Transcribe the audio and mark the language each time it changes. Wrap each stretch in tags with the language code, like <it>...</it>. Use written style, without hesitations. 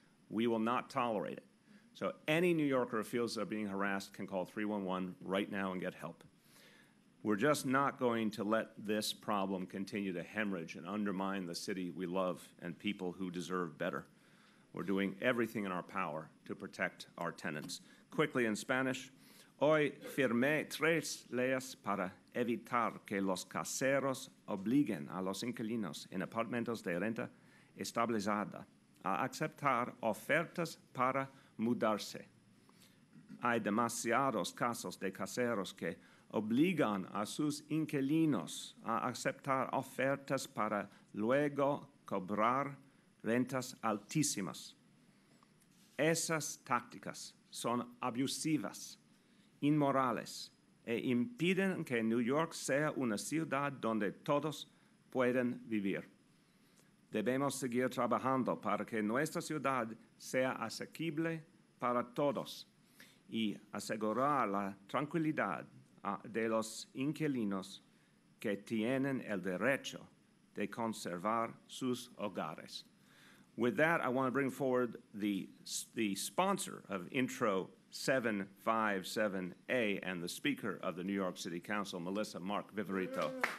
<en>We will not tolerate it. So any New Yorker who feels they're being harassed can call 311 right now and get help. We're just not going to let this problem continue to hemorrhage and undermine the city we love and people who deserve better. We're doing everything in our power to protect our tenants. Quickly in Spanish,</en> <es>hoy firmé tres leyes para evitar que los caseros obliguen a los inquilinos en apartamentos de renta estabilizada a aceptar ofertas para mudarse. Hay demasiados casos de caseros que obligan a sus inquilinos a aceptar ofertas para luego cobrar rentas altísimas. Esas tácticas son abusivas, inmorales, e impiden que New York sea una ciudad donde todos pueden vivir. Debemos seguir trabajando para que nuestra ciudad sea asequible para todos y asegurar la tranquilidad de los inquilinos que tienen el derecho de conservar sus hogares.</es> <en>With that, I want to bring forward the sponsor of Intro 757A and the Speaker of the New York City Council, Melissa Mark-Viverito.</en>